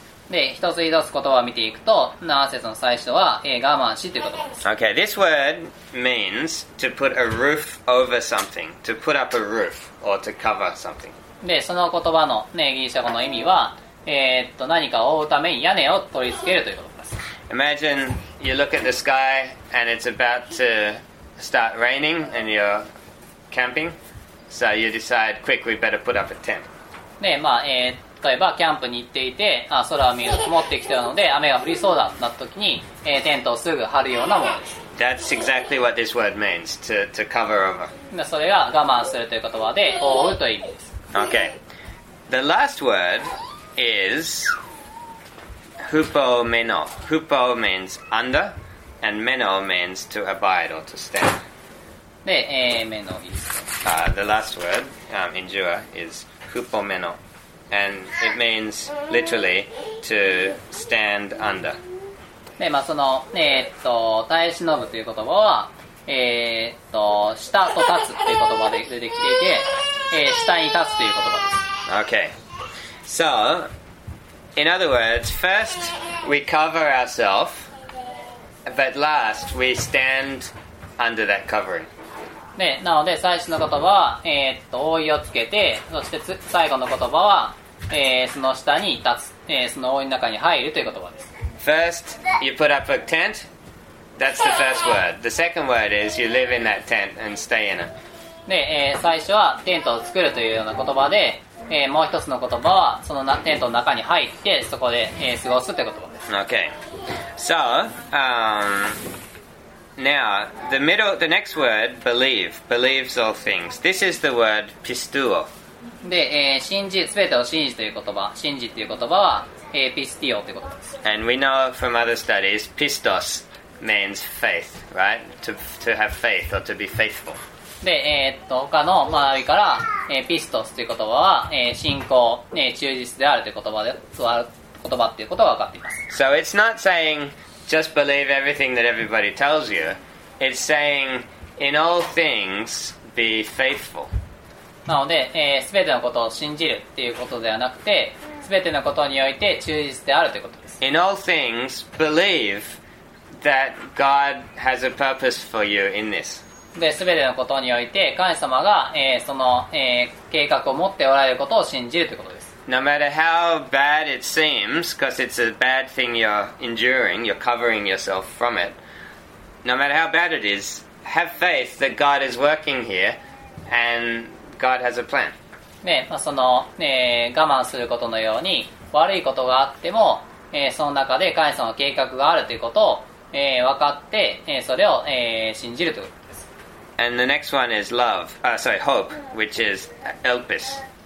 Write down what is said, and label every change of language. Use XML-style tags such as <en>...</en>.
<ja>で、一つ一つ言葉を見ていくと、7節の最初は、我慢しということです。</ja> <en>Okay, this word means to put a roof over something, to put up a roof. Or to cover something.</en> <ja>で、その言葉の、ね、ギリシャ語の意味は、何かを覆うために屋根を取り付けるということです。</ja> <en>Imagine you look at the sky and it's about to start raining and you're camping. So you decide, quick, we better put up a tent.</en> <ja>で、まあ、例えばキャンプに行っていて、あ、空を見ると曇ってきているので雨が降りそうだとなった時に、テントをすぐ張るようなものです。</ja> <en>That's exactly what this word means, to cover over.</en> <ja>それが我慢するという言葉で、覆うという意味です。</ja> <en>Okay. The last word is hupomeno. Hupo means under, and meno means to abide or to stand.</en> <ja>で、meno</ja> <en>is. The last word, endure, is hupomeno. And it means literally to stand under.</en> <ja>でまあ、その、耐え忍ぶという言葉は、下と立つという言葉で出てきていて、下に立つという言葉です。</ja> <en>Okay. So, in other words, first we cover ourselves, but last we stand under that covering.</en> <ja>でなので、最初の言葉は、覆いをつけて、そして最後の言葉は、その下に立つ、その覆いの中に入るという言葉です。</ja> <en>First, you put up a tent. That's the first word. The second word is you live in that tent and stay in it.</en> <ja>で、最初はテントを作るというような言葉で、もう一つの言葉はそのテントの中に入ってそこで、過ごすという言葉です。</ja> <en>Okay. So, now, the next word, believe, believes all things. This is the word pistuo.</en> <ja>で、信じ、すべてを信じという言葉、信じという言葉は、pistio ってことです。</ja> <en>And we know from other studies, pistos means faith, right? To have faith or to be faithful.</en> <ja>で、他の周りから、pistos という言葉は、信仰、忠実であるという言葉で、言葉っていうことが分かっています。</ja> <en>So it's not saying just believe everything that everybody tells you. It's saying in all things be faithful.</en> <ja>なので、すべてのことを信じるっていうことではなくて。全てのことにおいて忠実であるということです。</ja> <en>In all things, believe that God has a purpose for you in this.</en> <ja>で、全てのことにおいて神様が、その、計画を持っておられることを信じるということです。</ja> <en>No matter how bad it seems, because it's a bad thing you're enduring, you're covering yourself from it. No matter how bad it is, have faith that God is working here and God has a plan.</en> <ja>ねまあ、その、我慢することのように悪いことがあっても、その中で神様の計画があるということを、分かって、それを、信じるということです。</ja> <en>And the next one is love. Sorry, hope, which is elpis.</en>